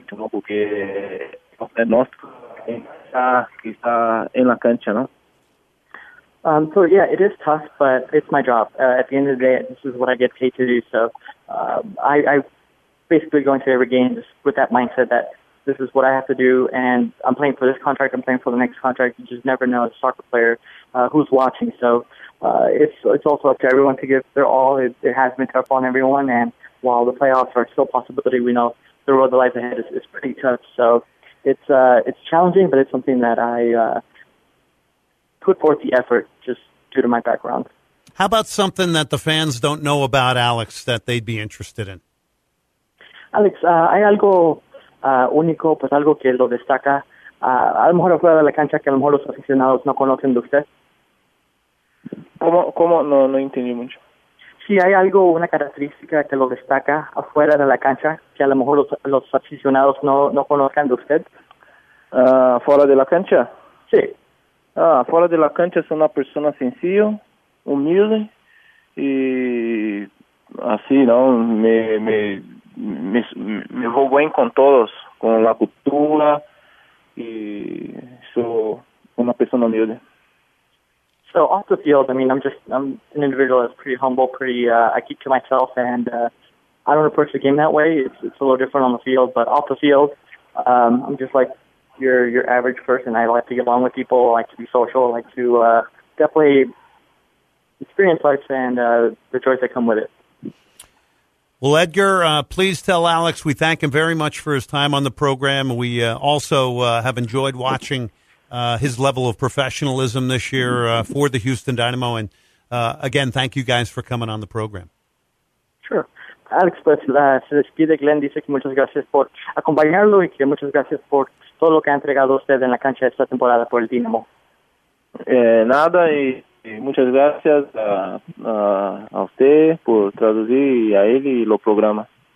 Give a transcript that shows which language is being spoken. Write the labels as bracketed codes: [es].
[es] Porque es nuestro que está en la cancha, ¿no? [en] So, yeah, it is tough, but it's my job. At the end of the day, this is what I get paid to do. So I basically go into every game just with that mindset that this is what I have to do, and I'm playing for this contract, I'm playing for the next contract. You just never know, as a soccer player, who's watching. So it's also up to everyone to give their all. It has been tough on everyone, and while the playoffs are still a possibility, we know the road that lies ahead is pretty tough. So it's challenging, but it's something that I put forth the effort just due to my background. How about something that the fans don't know about Alex that they'd be interested in? [es] Alex, hay algo único, pues algo que lo destaca. A lo mejor afuera de la cancha, que a lo mejor los aficionados no conocen de usted. ¿Cómo? No entendí mucho. Sí, hay algo, una característica que lo destaca afuera de la cancha, que a lo mejor los aficionados no conozcan de usted. ¿Fuera de la cancha? Sí. Ah, fuera de la cancha es una persona sencilla, humilde y así, ¿no? Me voy bien con todos, con la cultura, y soy una persona humilde. [en] So off the field, I mean, I'm an individual that's pretty humble, I keep to myself, and I don't approach the game that way. It's a little different on the field, but off the field, I'm just like your average person. I like to get along with people, I like to be social, I like to definitely experience life and the joys that come with it. Well, Edgar, please tell Alex we thank him very much for his time on the program. We also have enjoyed watching his level of professionalism this year for the Houston Dynamo. And again, thank you guys for coming on the program. [es] Sure. Alex, pues, se despide. Glenn dice que muchas gracias por acompañarlo y que muchas gracias por todo lo que ha entregado usted en la cancha esta temporada por el Dynamo. Nada, y muchas gracias a usted por traducir y a él y lo programa.